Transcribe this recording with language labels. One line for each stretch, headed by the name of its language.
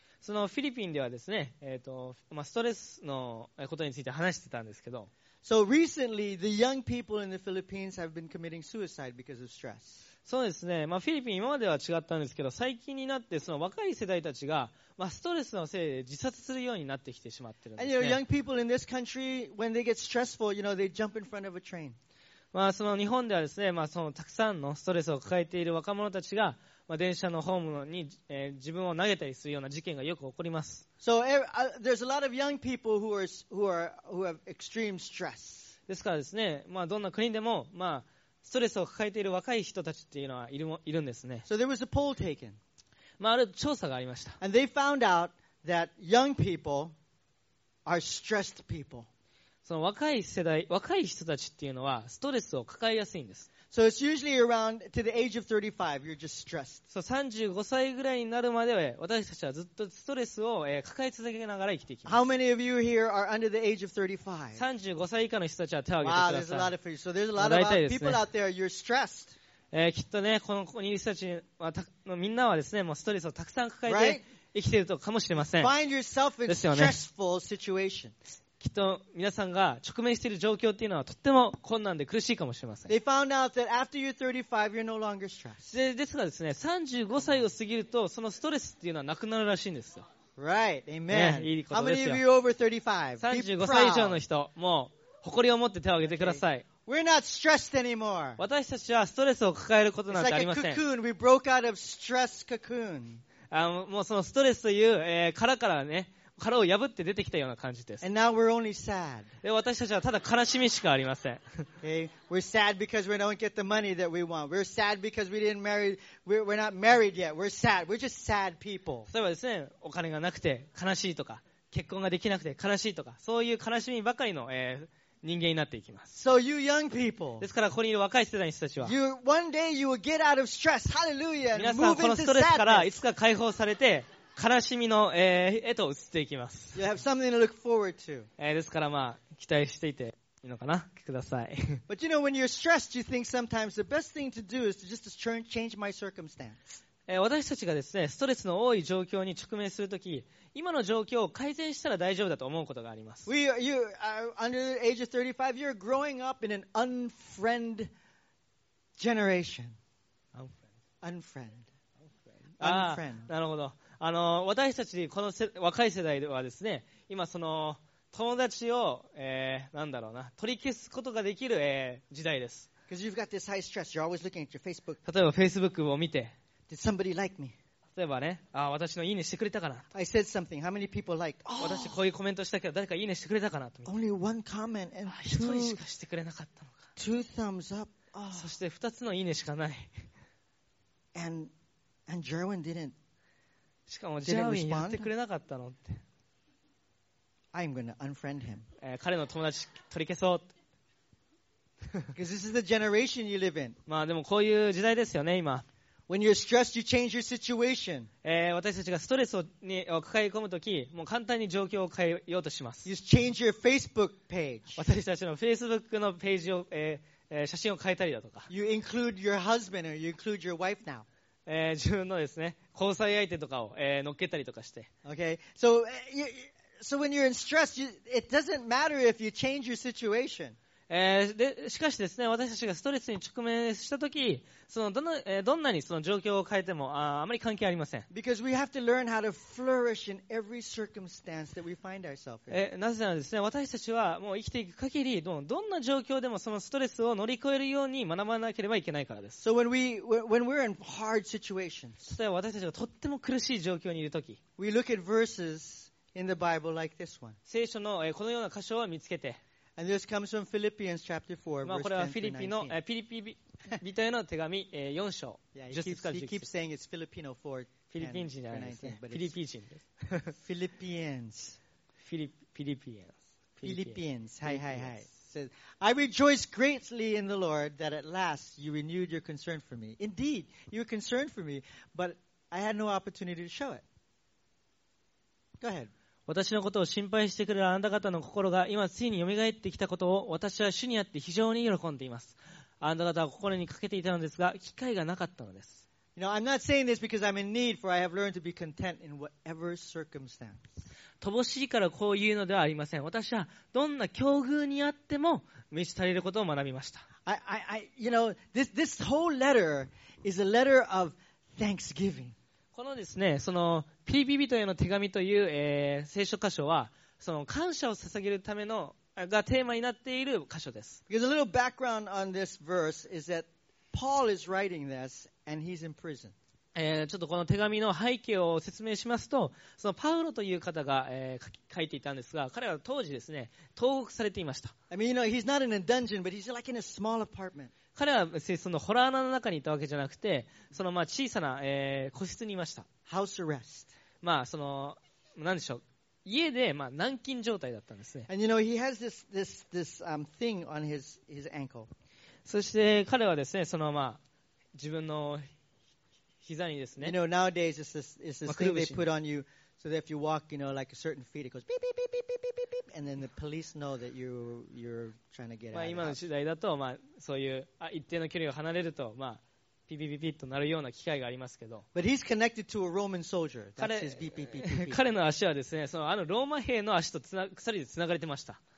Japanese: そのフィリピンではですね、まあ、ストレスのことについて話してたんですけど。
English: So recently, the young people in the Philippines have been committing suicide because of stress.
Japanese: そうですね、まあ、フィリピン今までは違ったんですけど、最近になってその若い世代たちが、まあ、ストレスのせいで自殺するようになってきてしまってるんですね。
English: And, you know, young people in this country, when they get stressful, you know, they jump in front of a train.
Japanese: まあその日本ではですね、まあ、そのたくさんのストレスを抱えている若者たちが、まあ、電車のホームに、自分を投げたりするような事件がよく起こります。
English: So, there's a lot of young people who have extreme stress.
Japanese: ですからですね、まあ、どんな国でも、まあ、ストレスを抱えている若い人たちっていうのはいるんですね。
English: So, there was a poll taken.
Japanese: まあ、ある調査がありました。
English: And they found out that young people are stressed people.
Japanese: その若い世代、若い人たちっていうのはストレスを抱えやすいんです。
English: So it's usually around to the age of 35, you're just stressed. そう、35歳ぐらいになるまでは私たちはずっとストレスを抱え続けながら生きていきます。 How many of you here are under the age of 35?
Japanese: 35歳以下の人たちは手を挙げてください。
English: Wow, there's a lot of you. So there's a lot of people out there, you're stressed.
Japanese: きっとね、このここにいる人たちはみんなはですね、もうストレスをたくさん抱えて生きているとかもしれません。
English: Find yourself in a stressful situation.
Japanese: きっと皆さんが直面している状況っていうのはとっても困難で苦しいかもしれません。
English: They found out that after you're 35, you're no longer stressed.
Japanese: ですがですね、35歳を過ぎるとそのストレスっていうのはなくなるらしいんですよ。
English: Right, amen.
Japanese: ね、いいことですよ。
English: How many of you over 35?
Japanese: 35歳以上の人、もう誇りを持って手を挙げてください。
English: Okay. We're not stressed anymore.
Japanese: 私たちはストレスを抱えることなんてありません。
English: It's like a cocoon. We broke out of stress cocoon.
Japanese: もうそのストレスという、殻からね、殻を破って出てきたような感じです。
English: And now we're only sad.
Japanese: で、私たちはただ悲しみしかありません。
English: Okay. We're sad because we don't get the money that we want. We're sad because we didn't marry. We're not married yet. We're sad. We're just sad people.
Japanese: そういえばですね、お金がなくて悲しいとか、結婚ができなくて悲しいとか、そういう悲しみばかりの、人間になっていきます。
English: So you young people,
Japanese: ですからここにいる若い世代の人たちは、
English: you, one day you will get out of stress. Hallelujah.
Japanese: 皆さんこのストレスからいつか解放されて悲しみの、へと移っていきます。
English: You have something to look forward to.
Japanese: ですからまあ期待していていいのかな、ください。
English: But you know when you're stressed, you think sometimes the best thing to do is to just change my circumstance.
Japanese: 私たちがですね、ストレスの多い状況に直面するとき、今の状況を改善したら大丈夫だと思うことがあります。
English: We are, you are under the age of 35, you're growing up in an unfriend generation. Unfriend. Unfriend.
Japanese: なるほど。私たちこの若い世代ではですね、今その友達を、なんだろうな、取り消すことができる、時代です。
English: Because you've got this high stress, you're always looking at your Facebook.
Japanese: 例えば Facebook を見て、
English: Did somebody like me?
Japanese: 例えばね、ああ私のいいねしてくれたかな。
English: I said something. How many people liked?
Japanese: 私こういうコメントしたけど誰かいいねしてくれたかなと。
English: Only one comment and two.
Japanese: 一人しかしてくれなかったのか。
English: Two thumbs up.
Japanese: そして二つのいいねしかない。
English: And Jerwin didn't.
Japanese: しかもジェルウィンやってくれなかったのって。
English: I'm gonna unfriend him.
Japanese: 彼の友達取り消そう。
English: Because this is the generation you live in.
Japanese: まあでもこういう時代ですよね今。
English: When you're stressed, you change your situation.
Japanese: 私たちがストレスを抱え込むとき、もう簡単に状況を変えようとします。
English: You change your Facebook page.
Japanese: 私たちの Facebook のページを、写真を変えたりだとか。
English: You include your husband or you include your wife now.
Japanese: 自分のですね、交際相手とかを、乗っけたりとかして。
English: Okay. So, so when you're in stress, you, it doesn't matter if you change your situation.
Japanese: でしかしですね、私たちがストレスに直面したとき、その どんなにその状況を変えても あまり関係ありません。
English: Because we have to learn how to flourish in every circumstance that we find ourselves in.
Japanese: なぜならですね、私たちはもう生きていく限り、どんな状況でもそのストレスを乗り越えるように学ばなければいけないからです。
English: So when we're in hard situations,
Japanese: 例えば私たちがとっても苦しい状況にいるとき、
English: we look at verses in the Bible like this one.
Japanese: 聖書の、このような箇所を見つけて、
English: And this comes from Philippians chapter 4, verse 10 through 19.
Japanese: まあこれはフィリピの、ピリピ人への手紙、4章、
English: yeah,
Japanese: 10節から19節。
English: He keeps saying it's Filipino 4, 10,
Japanese: フィリピン人じゃないですね。フィリピン人です。
English: Philippians. Philippians.
Japanese: Philippians. はいはいはい。
English: Says, I rejoice greatly in the Lord that at last you renewed your concern for me. Indeed, you were concerned for me, but I had no opportunity to show it. Go ahead.
Japanese: 私のことを心配してくれるあなた方の心が今ついに蘇ってきたことを私は主にあって非常に喜んでいます。あなた方は心にかけていたのですが、機会がなかったのです。
English: You know, I'm not saying this because I'm in need, for I have learned to be content in whatever circumstance.
Japanese: 乏しいからこう言うのではありません。私はどんな境遇にあっても満ち足りることを学びました。
English: I, you know, this whole letter is a letter of thanksgiving.
Japanese: このですね、そのピリピ人への手紙という、聖書箇所は、その感謝を捧げるためのがテーマになっている箇所です。
English: Because a little background on this verse is that Paul is writing this and he's in prison.
Japanese: ちょっとこの手紙の背景を説明しますと、そのパウロという方が、書いていたんですが、彼は当時ですね、投獄されていました。
English: I mean, you know, he's not in a dungeon, but he's like in a small apartment.
Japanese: 彼はそのホラー穴の中にいたわけじゃなくて、そのまあ小さな、個室にいました。
English: House arrest.
Japanese: まあその何でしょう、家でまあ軟禁状態だったんですね。
English: And you know he has this thing on his ankle.
Japanese: そして彼はですね、そのまあ自分の膝にですね。
English: You know nowadays it's this thing they put on you so that if you walk, you know, like a certain feet, it goes beep beep beep beep beep beep beep, and then the police know that you're trying to get out.
Japanese: まあ今の時代だと、まあそういう一定の距離を離れると、まあピピピピとなるような機会がありますけど。
English: But he's connected to a Roman soldier. That's his beep beep beep beep.
Japanese: 彼の足はですね、そのあのローマ兵の足と鎖でつながれてました。